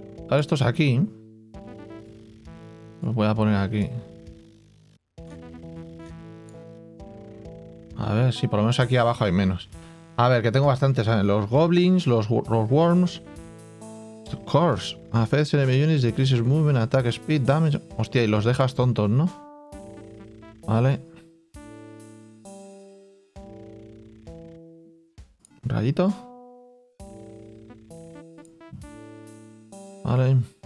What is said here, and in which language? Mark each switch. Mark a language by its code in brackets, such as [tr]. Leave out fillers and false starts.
[es] Esto es aquí. Lo voy a poner aquí. A ver, si sí, por lo menos aquí abajo hay menos. A ver, que tengo bastantes. Los goblins, los worms. Course. [en] Affects enemy units, decreases movement, attack speed, damage. [es] Hostia, y los dejas tontos, ¿no? Vale. Rayito. Vale.